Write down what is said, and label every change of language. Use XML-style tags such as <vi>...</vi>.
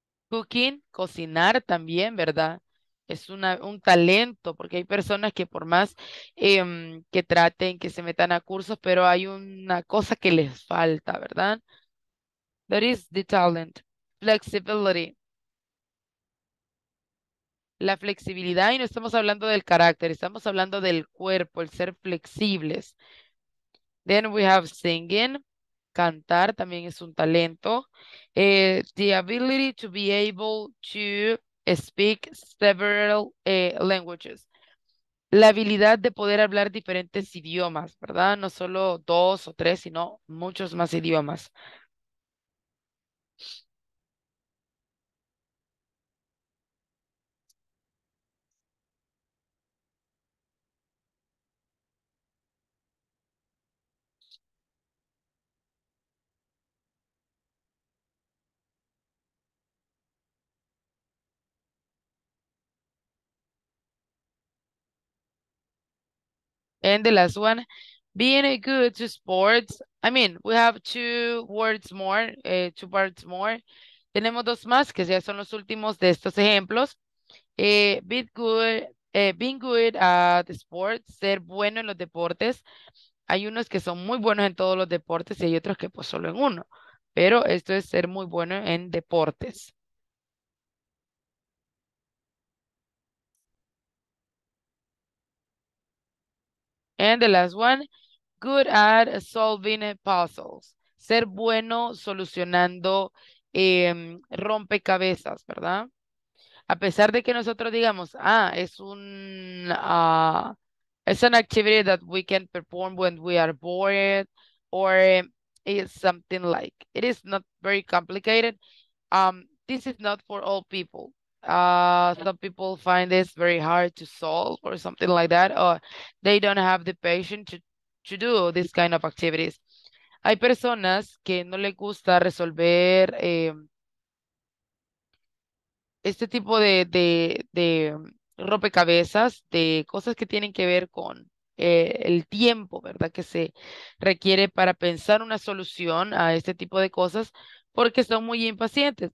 <es>Cooking, cocinar también, ¿verdad? Es un talento, porque hay personas que por más que traten, que se metan a cursos, pero hay una cosa que les falta, ¿verdad?</es> <en>That is the talent. Flexibility.</en> <es>La flexibilidad, y no estamos hablando del carácter, estamos hablando del cuerpo, el ser flexibles.</es> <en>Then we have singing.</en> <es>Cantar también es un talento.</es> <en>The ability to be able to speak several languages.</en> <es>La habilidad de poder hablar diferentes idiomas, ¿verdad? No solo dos o tres, sino muchos más idiomas.</es> <en>And the last one, being a good to sports. I mean, we have two words more, two parts more.</en> <es>Tenemos dos más, que ya son los últimos de estos ejemplos.</es> <en>Being good at sports,</en> <es>ser bueno en los deportes. Hay unos que son muy buenos en todos los deportes y hay otros que pues solo en uno. Pero esto es ser muy bueno en deportes.</es> <en>And the last one, good at solving puzzles.</en> <es>Ser bueno solucionando rompecabezas, ¿verdad? A pesar de que nosotros digamos, ah, es</es> <en>an activity that we can perform when we are bored or it's something like it is not very complicated. This is not for all people. Some people find this very hard to solve or something like that, or they don't have the patience to do this kind of activities.</en> <es>Hay personas que no les gusta resolver este tipo de rompecabezas, de cosas que tienen que ver con el tiempo, ¿verdad? Que se requiere para pensar una solución a este tipo de cosas, porque son muy impacientes.</es>